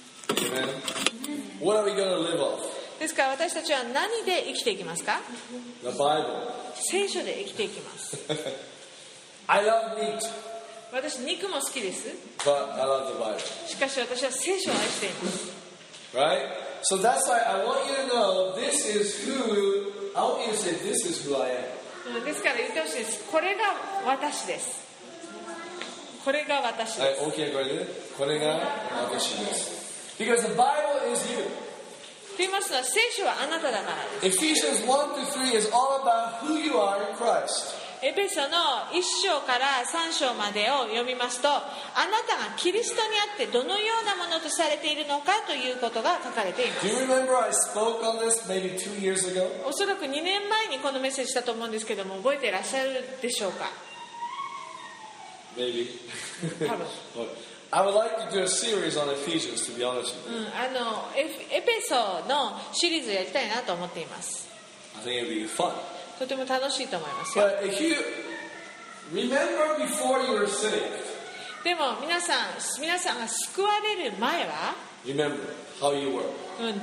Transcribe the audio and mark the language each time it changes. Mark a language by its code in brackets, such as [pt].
[en] Amen. What are we going to live off? [ja] ですから私たちは何で生きていきますか? [en] The Bible. [ja] 聖書で生きていきます。 [en] I love meat. [ja] 私肉も好きです。 [en] But I love the Bible. [ja] しかし私は聖書を愛しています。 [en] Right? So that's why I want you to know this is who I want you to say this is who I am. [ja] ですから言ってほしいです。これが私です。これが私です。 [en] Okay, brother. [ja] これが私です。 [en] Because the Bible is you. [ja] と言いますのは聖書はあなただからです。 [en] Ephesians 1-3 is all about who you are in Christ. [ja] エペソの1章から3章までを読みますと、あなたがキリストにあってどのようなものとされているのかということが書かれています。 [en] Do you remember I spoke on this maybe 2 years ago? [ja] おそらく2年前にこのメッセージしたと思うんですけども、覚えていらっしゃるでしょうか。 [en] Maybe. [ja] 多分。 [en] I would like to do a series on Ephesians, to be honest with you. [ja] エペソのシリーズをやりたいなと思っています。 [en] I think it would be fun. [ja] とても楽しいと思いますよ。でも皆さんが救われる前は [en] Remember how you were.